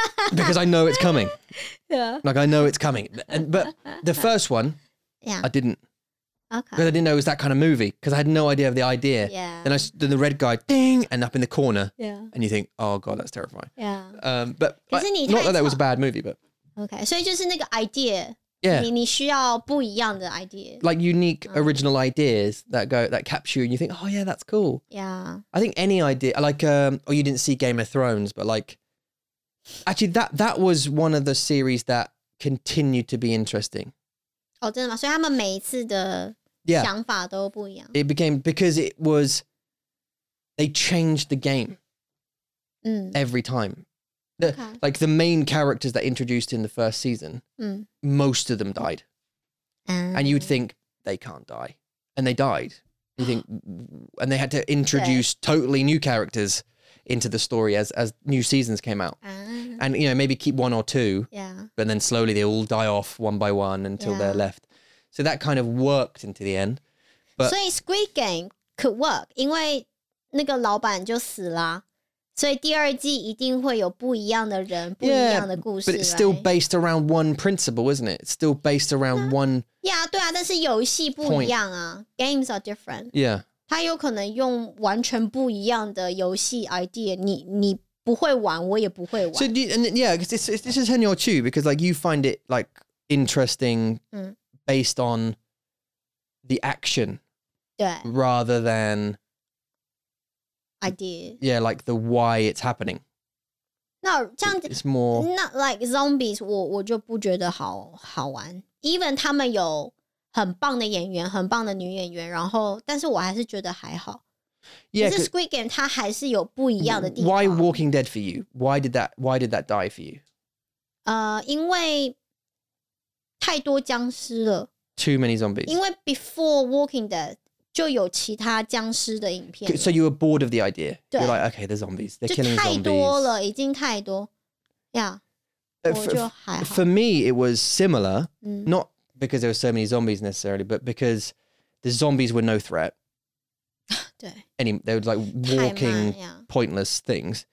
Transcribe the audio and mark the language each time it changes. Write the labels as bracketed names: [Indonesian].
[English] because I know it's coming. Yeah. Like, I know it's coming. But the first one, I didn't. Okay. Because I didn't know it was that kind of movie. Because I had no idea of the idea. Yeah. Then the red guy, ding, and up in the corner. Yeah. And you think, oh God, that's terrifying. Yeah. Not that it was a bad movie, but... [Chinese] OK, 所以就是那个 idea, [English] yeah. [Chinese] 你需要不一样的 idea. [English] Like unique original ideas that go, that capture you and you think, oh yeah, that's cool. Yeah. I think any idea, like, you didn't see Game of Thrones, but like, actually that was one of the series that continued to be interesting. [Chinese] Oh, 真的吗?所以他们每一次的想法都不一样。 [English] It became, because it was, they changed the game every time. Okay. Like the main characters that introduced in the first season, most of them died. And you'd think they can't die. And they died. You think, and they had to introduce totally new characters into the story as new seasons came out. And, you know, maybe keep one or two. Yeah. But then slowly they all die off one by one until they're left. So that kind of worked into the end. But, so Squid Game could work. [Chinese] 因为那个老板就死了。所以第二季一定会有不一样的人不一样的故事 [English] But it's still based around one principle, isn't it? It's still based around one [Chinese] Yeah, 对啊但是游戏不一样啊 [English] Games are different Yeah [Chinese] 他有可能用完全不一样的游戏 idea 你不会玩我也不会玩 [English] So you, and yeah, because this is [Chinese] 很有趣 [English] Because like you find it like interesting based on the action Yeah Rather than idea. Yeah, like the why it's happening. [Chinese] No, 这样子, [English] it's more... Not like zombies, [Chinese] 我就不觉得好玩. Even 他们有很棒的演员,很棒的女演员, 然后, 但是我还是觉得还好. [English] Yeah, [Chinese] 可是 Squid Game 它还是有不一样的地方. [English] Why Walking Dead for you? Why did that die for you? [Chinese] 因为太多僵尸了. [English] Too many zombies. [Chinese] 因为 [English] before Walking Dead, [Chinese] 就有其他僵尸的影片. [English] So you were bored of the idea. You're like, okay, the zombies. They're killing zombies. [Chinese] 就太多了, 已经太多.Yeah. [English] For me, it was similar. Mm. Not because there were so many zombies necessarily, but because the zombies were no threat. [Chinese] 对, [English] any, they were like walking, pointless things.